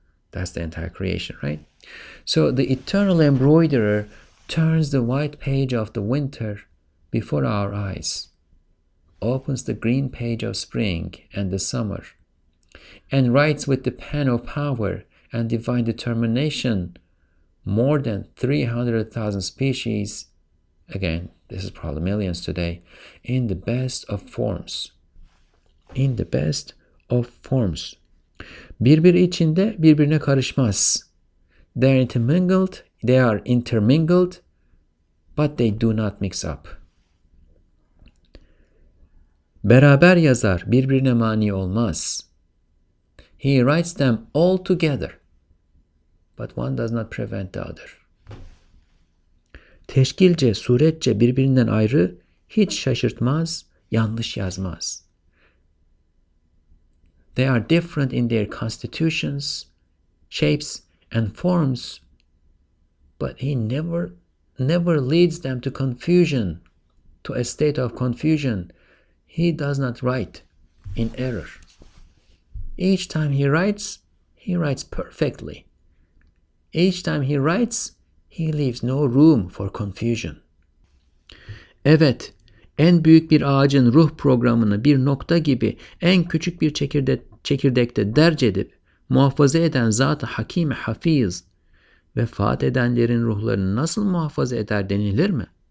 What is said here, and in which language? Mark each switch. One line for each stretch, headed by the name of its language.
English: That's the entire creation, right? So the eternal embroiderer turns the white page of the winter before our eyes, opens the green page of spring and the summer, and writes with the pen of power and divine determination more than 300,000 species, again, this is probably millions today, in the best of forms. In the best of forms.
Turkish: Birbiri içinde birbirine karışmaz.
English: They are intermingled, but they do not mix up.
Turkish: Beraber yazar, birbirine mani olmaz.
English: He writes them all together, but one does not prevent the other.
Turkish: Teşkilce, suretçe birbirinden ayrı, hiç şaşırtmaz, yanlış yazmaz.
English: They are different in their constitutions, shapes, and forms, but he never leads them to confusion, to a state of confusion. He does not write in error. Each time he writes perfectly. Each time he leaves no room for confusion.
Turkish: Evet, en büyük bir ağacın ruh programını bir nokta gibi en küçük bir çekirdekte derc edip muhafaza eden Zat-ı Hakim-i Hafiz vefat edenlerin ruhlarını nasıl muhafaza eder denilir mi?